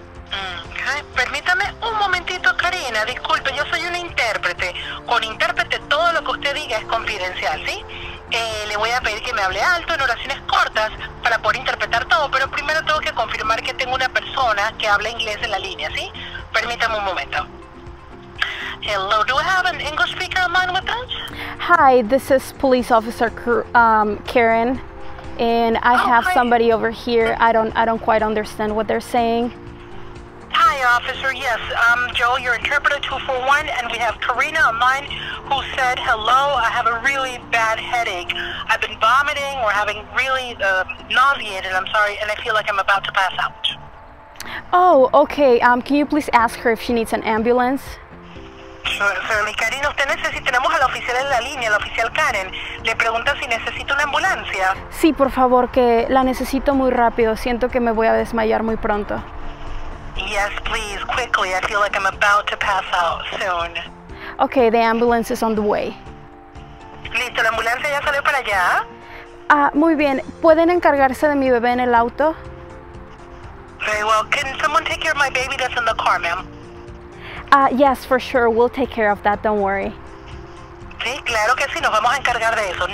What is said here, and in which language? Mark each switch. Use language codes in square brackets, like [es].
[es] Okay. Permítame un momentito, Karina. Disculpe, yo soy una intérprete. Con intérprete todo lo que usted diga es confidencial, ¿sí? Le voy a pedir que me hable alto en oraciones cortas para poder interpretar todo, pero primero tengo que confirmar que tengo una persona que habla inglés en la línea, ¿sí? Permítame un momento. [en] Hello, do I have an English speaker online with us? Hi, this is Police Officer Karen, and I have somebody over here. I don't quite understand what they're saying. Hi, Officer, yes, I'm Joe, your interpreter 241, and we have Karina online who said, hello, I have a really bad headache. I've been vomiting or having really nauseated, I'm sorry, and I feel like I'm about to pass out. Oh, okay, can you please ask her if she needs an ambulance? [es] Pero mi cariño, usted necesita, tenemos a la oficial en la línea, la oficial Karen. Le pregunta si necesita una ambulancia. Sí, por favor, que la necesito muy rápido. Siento que me voy a desmayar muy pronto. [en] Yes, please, quickly. I feel like I'm about to pass out soon. Okay, the ambulance is on the way. [es] Listo, la ambulancia ya salió para allá. Muy bien. ¿Pueden encargarse de mi bebé en el auto? [en] Very well. Can someone take care of my baby that's in the car, ma'am? Yes, for sure. We'll take care of that. Don't worry. [es] Sí, claro que sí. Nos vamos a encargar de eso.